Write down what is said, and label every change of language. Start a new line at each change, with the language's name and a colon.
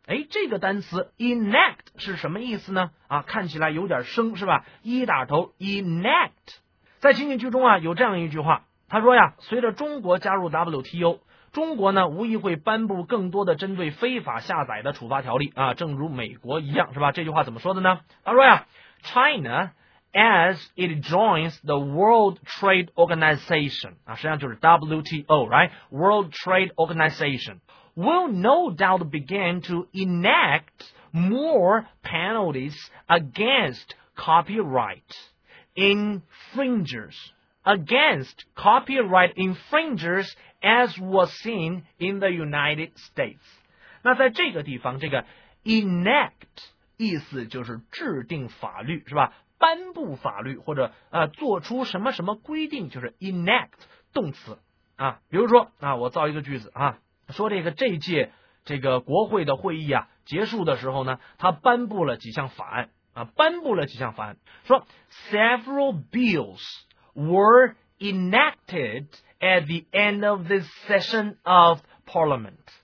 Chinese: 这个单词 enact 是什么意思呢？看起来有点生，是吧？一打头 enact。在情景剧中有这样一句话，他说呀，随着中国加入 WTO。中国呢无疑会颁布更多的针对非法下载的处罚条例正如美国一样，是吧？这句话怎么说的呢？他说呀
English: ,China,As it joins the World Trade Organization,
Chinese: 实际上就是
English: WTO, right? World Trade Organization, will no doubt begin to enact more penalties against copyright. infringers against copyright infringers as was seen in the United States.
Chinese: 那在这个地方，这个 enact 意思就是制定法律，是吧？颁布法律或者做出什么什么规定，就是 enact 动词啊。比如说啊，我造一个句子啊，说这个这届这个国会的会议啊结束的时候呢，他颁布了几项法案啊，颁布了几项法案，说
English: several bills were enacted at the end of this session of parliament。